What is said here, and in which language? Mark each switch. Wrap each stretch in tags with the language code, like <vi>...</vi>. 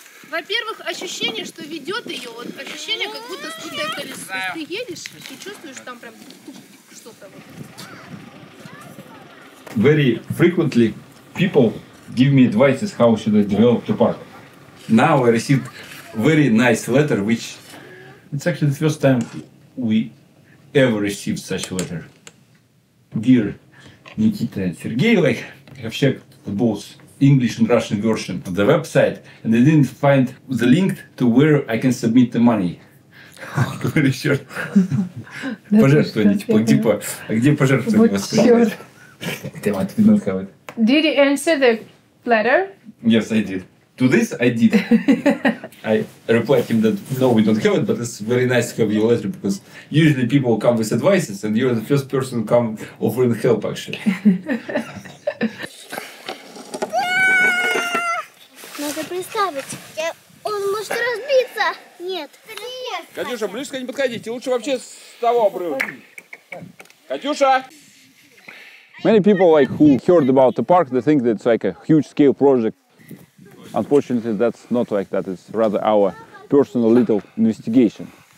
<ru>Во-первых, ощущение, что ведет ее, вот ощущение, как будто скутое колесо. Ты едешь и чувствуешь там прям что-то вот.</ru> <en>Very frequently people give me advices how should I develop the park. Now I received very nice letter, which it's actually the first time we ever received such a letter. Dear Nikita and Sergey, like, I have checked the both English and Russian version of the website and I didn't find the link to where I can submit the money.</en> <ru>Говорю, черт. Пожертвование, типа, а где пожертвование? Вот черт.</ru> <en>Did you answer the letter? Yes, I did. To this, I did. I replied him that no, we don't have it, but it's very nice to have your letter because usually people come with advices and you're the first person to come offering help, actually.</en> <ru>Надо приставить. Он может разбиться. Нет. Катюша, близко не подходите. Лучше вообще с того обрыва. Катюша!</ru> <en>Many people like who heard about the park, they think that it's like a huge scale project. Unfortunately, that's not like that. It's rather our personal little investigation.</en>